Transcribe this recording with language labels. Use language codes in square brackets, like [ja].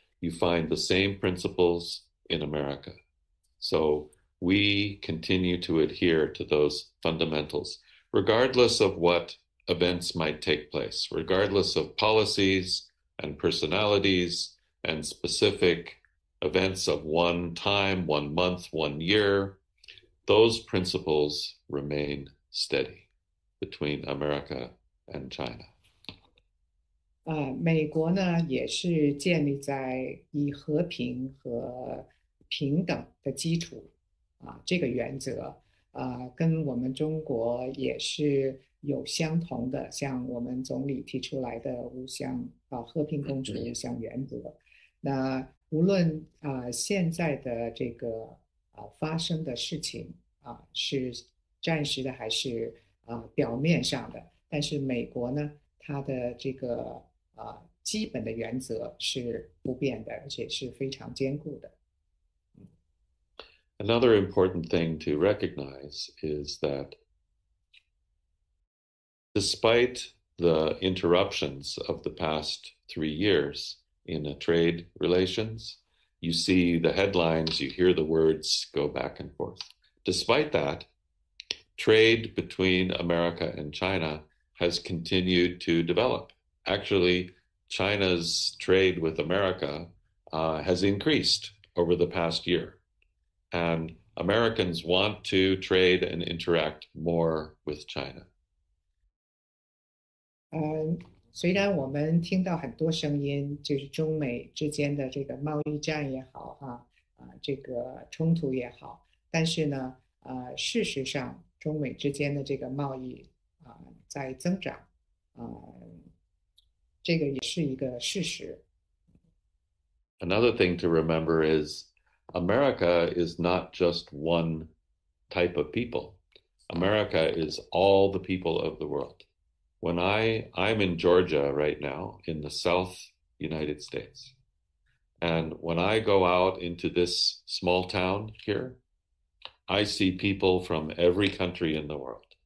[en] You find the same principles in America. So we continue to adhere to those fundamentals, regardless of what events might take place, regardless of policies and personalities and specific events of one time, one month, one year. Those principles remain steady between America and China. [zh] 美国呢也是建立在以和平和平等的基础这个原则，跟我们中国也是有相同的，像我们总理提出来的五项和平共处五项原则。那无论现在的这个发生的事情是暂时的还是表面上的，但是美国呢，它的这个基本的原则是不变的，而且是非常坚固的。 [en] Another important thing to recognize is that despite the interruptions of the past 3 years in trade relations, you see the headlines, you hear the words go back and forth. Despite that, trade between America and China has continued to develop. Actually, China's trade with America has increased over the past year, and Americans want to trade and interact more with China. [zh] 虽然我们听到很多声音，就是中美之间的这个贸易战也好，这个冲突也好，但是呢，事实上，中美之间的这个贸易在增长，这个也是一个事实。 [en] Another thing to remember is America is not just one type of people. America is all the people of the world. When I'm in Georgia right now in the South United States, and when I go out into this small town here, I see people from every country in the world.